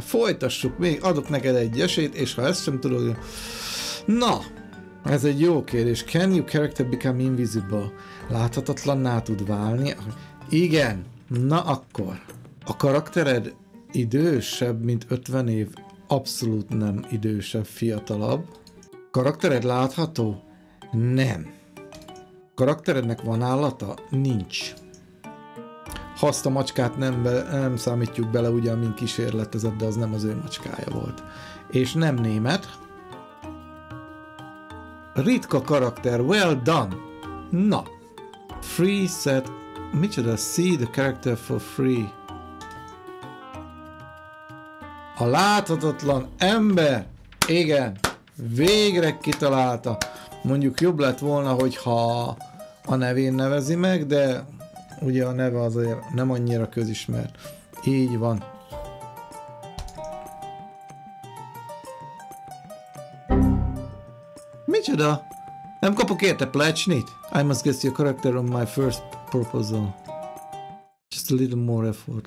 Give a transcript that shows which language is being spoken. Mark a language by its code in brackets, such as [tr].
[hu] Folytassuk még, adok neked egy esélyt, és ha ezt sem tudod... Na, ez egy jó kérdés. [en] Can your character become invisible? [hu] Láthatatlanná tud válni? Igen. Na akkor. A karaktered idősebb, mint 50 év? Abszolút nem idősebb, fiatalabb. Karaktered látható? Nem. Karakterednek van állata? Nincs. Haszt a macskát nem számítjuk bele, ugye, amint kísérletezett, de az nem az ő macskája volt. És nem német. Ritka karakter. [en] Well done. [hu] Na. Free set. Micsoda? [en] See the character for free. [hu] A láthatatlan ember. Igen. Végre kitalálta. Mondjuk jobb lett volna, hogyha a nevén nevezi meg, de ugye a neve azért nem annyira közismert. Így van. Micsoda? Nem kapok érte plecsnit? [en] I must guess your character on my first proposal. Just a little more effort.